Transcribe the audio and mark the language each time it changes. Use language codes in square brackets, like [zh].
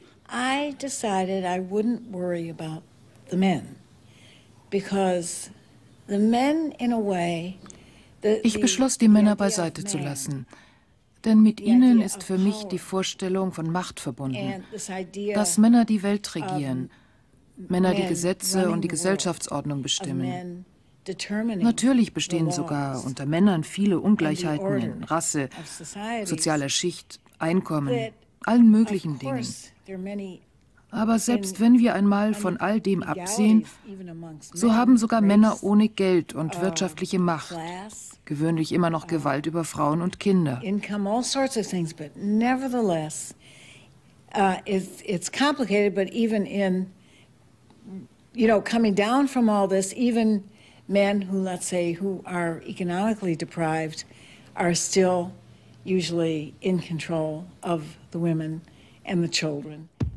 [en] I decided I wouldn't worry about the men, because the men in a way. [de] Ich beschloss, die Männer beiseite zu lassen, denn mit ihnen ist für mich die Vorstellung von Macht verbunden, dass Männer die Welt regieren, Männer die Gesetze und die Gesellschaftsordnung bestimmen. Natürlich bestehen sogar unter Männern viele Ungleichheiten in Rasse, sozialer Schicht, Einkommen, allen möglichen Dingen. Aber selbst wenn wir einmal von all dem absehen, so haben sogar Männer ohne Geld und wirtschaftliche Macht gewöhnlich immer noch Gewalt über Frauen und Kinder. [en] Income, all sorts of things, but nevertheless, it's complicated. But even in, you know, coming down from all this, even men who, let's say, who are economically deprived, are still usually in control of the women and the children.